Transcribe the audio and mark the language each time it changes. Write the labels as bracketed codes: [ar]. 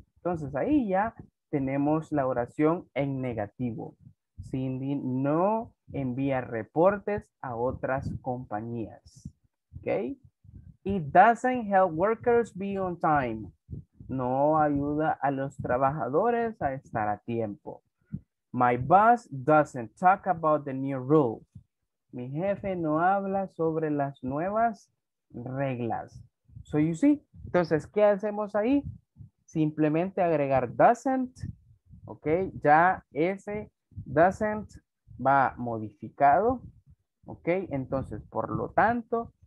[es] Entonces ahí ya tenemos la oración en negativo. Cindy no envía reportes a otras compañías. [en] Okay, it doesn't help workers be on time. [es] No ayuda a los trabajadores a estar a tiempo. [en] My boss doesn't talk about the new rules. [es] Mi jefe no habla sobre las nuevas reglas. [en] So you see, [es] entonces, ¿qué hacemos ahí? Simplemente agregar doesn't, ¿ok? Ya ese doesn't va modificado, ¿ok? Entonces, por lo tanto,